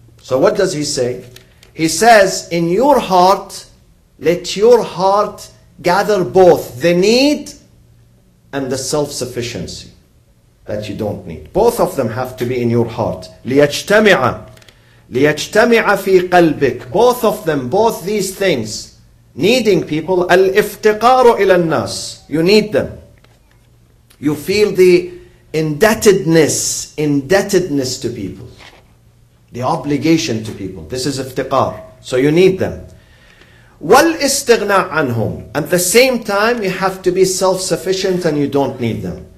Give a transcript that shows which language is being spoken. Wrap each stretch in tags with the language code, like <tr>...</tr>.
<en>So what does he say? He says, in your heart, let your heart gather both the need and the self-sufficiency that you don't need. Both of them have to be in your heart.</en> <ar>لِيَجْتَمِعَ فِي قَلْبِكَ.</ar> <en>Both of them, both these things. Needing people,</en> <ar>الْإِفْتِقَارُ إِلَى النَّاسِ.</ar> <en>You need them. You feel the indebtedness to people. The obligation to people. This is iftiqar. So you need them.</en> <ar>وَالْإِسْتِغْنَاءَ عَنْهُمْ.</ar> <en>At the same time, you have to be self-sufficient and you don't need them.</en>